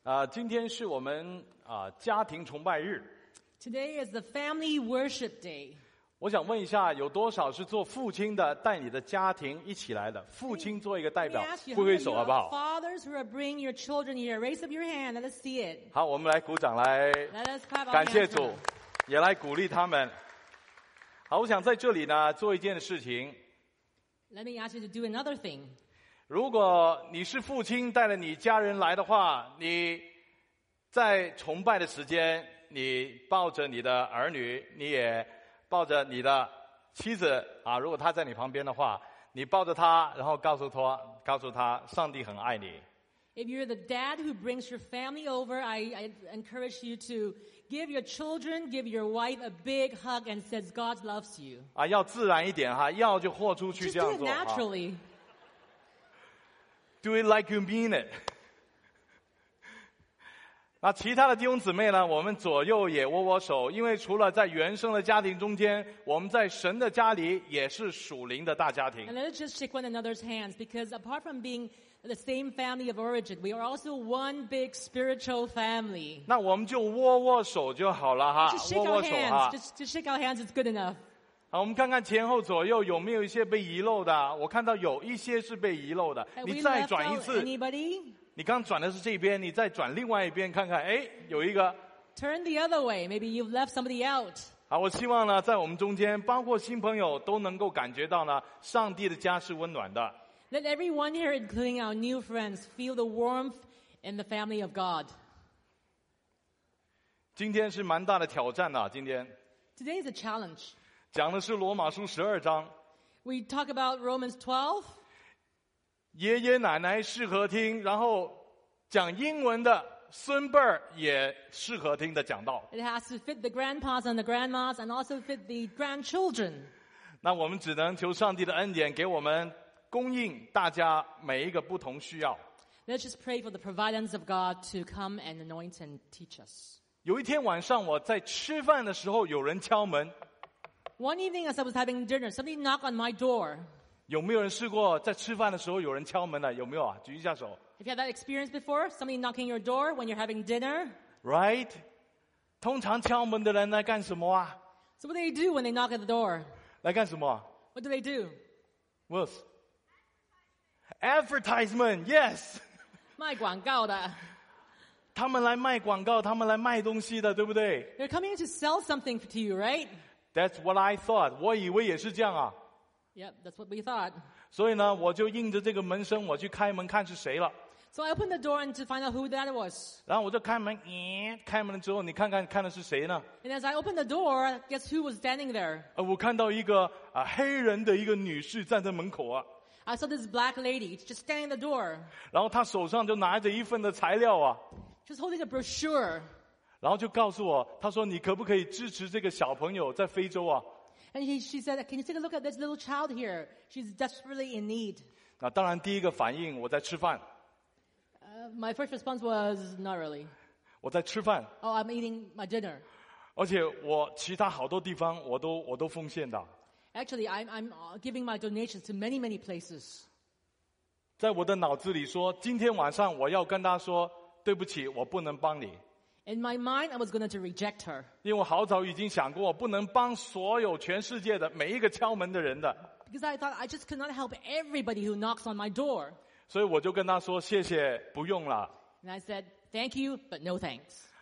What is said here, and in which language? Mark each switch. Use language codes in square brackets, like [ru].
[zh] 今天是我们家庭崇拜日。 [en] Today is the family worship day. [zh] 我想问一下，有多少是做父亲的带你的家庭一起来的？父亲做一个代表，挥挥手好不好 [en] ？Fathers who are bringing your children here, raise up your hand. Let us see it. [zh] 好，我们来鼓掌来。 [en] Let us clap. [zh] 感谢主，也来鼓励他们。好，我想在这里呢做一件事情。 [en] Let me ask you to do another thing. [zh] 如果你是父亲带着你家人来的话，你在崇拜的时间，你抱着你的儿女，你也抱着你的妻子啊。如果他在你旁边的话，你抱着他，然后告诉他，上帝很爱你。 [en] If you're the dad who brings your family over, I encourage you to give your children, give your wife a big hug and says God loves you. [zh] 啊，要自然一点哈，要就豁出去这样做。 [en] Just do it naturally. Do it like you mean it. [zh] 那其他的弟兄姊妹呢，我们左右也握握手，因为除了在原生的家庭中间，我们在神的家里也是属灵的大家庭。 [en] And let's just shake one another's hands, because apart from being the same family of origin, we are also one big spiritual family. [zh] 那我们就握握手就好了哈，握握手哈。 [en] Just shake our hands, it's good enough. [zh] 好，我们看看前后左右有没有一些被遗漏的。我看到有一些是被遗漏的。你再转一次。你刚转的是这边，你再转另外一边看看，哎，有一个。 [en] Turn the other way. Maybe you've left somebody out. [zh] 好，我希望呢，在我们中间，包括新朋友都能够感觉到呢，上帝的家是温暖的。 [en] Let everyone here, including our new friends, feel the warmth in the family of God. [zh] 今天是蛮大的挑战的，今天。 [en] Today is a challenge. [zh] 讲的是罗马书十二章。 [en] We talk about Romans 12. [zh] 爷爷奶奶适合听，然后讲英文的孙辈也适合听的讲道。 [en] It has to fit the grandpas and the grandmas, and also fit the grandchildren. [zh] 那我们只能求上帝的恩典给我们供应大家每一个不同需要。 [en] Let's just pray for the providence of God to come and anoint and teach us. [zh] 有一天晚上我在吃饭的时候，有人敲门。 [en] One evening as I was having dinner, somebody knocked on my door. [zh] 有没有人试过在吃饭的时候有人敲门的？有没有啊？举一下手。 [en] Have you had that experience before? Somebody knocking your door when you're having dinner? Right? [zh] 通常敲门的人来干什么啊？ [en] So what do they do when they knock at the door? [zh] 来干什么啊？ [en] What do they do? Worse. Advertisement, yes! [zh] 卖广告的。他们来卖广告，他们来卖东西的，对不对？ [en] They're coming to sell something to you, right? That's what I thought. [zh] 我以为也是这样啊。 [en] Yep, that's what we thought. [zh] 所以呢，我就应着这个门声，我去开门看是谁了。 [en] So I opened the door and to find out who that was. [zh] 然后我就开门，开门之后，你看的是谁呢 [en] ？And as I opened the door, guess who was standing there? [zh] 我看到一个黑人的一个女士站在门口啊。 [en] I saw this black lady just standing in the door. [zh] 然后她手上就拿着一份的材料啊。 [en] She was holding a brochure. [zh] 然后就告诉我，他说：“你可不可以支持这个小朋友在非洲啊 [en] ？”And she said, "Can you take a look at this little child here? She's desperately in need." [zh] 那当然，第一个反应我在吃饭。 [en] My first response was not really. [zh] 我在吃饭。 [en] Oh, I'm eating my dinner. [zh] 而且我其他好多地方我都奉献的。 [en] Actually, I'm giving my donations to many many places. [zh] 在我的脑子里说，今天晚上我要跟他说对不起，我不能帮你。 [en] In my mind, I was going to reject her. [zh] 因为我好早已经想过，我不能帮所有全世界的每一个敲门的人的。 [en] Because I thought I just could not help everybody who knocks on my door. [zh] 所以我就跟他说：“谢谢，不用了。” [en] And I said, "Thank you, but no thanks."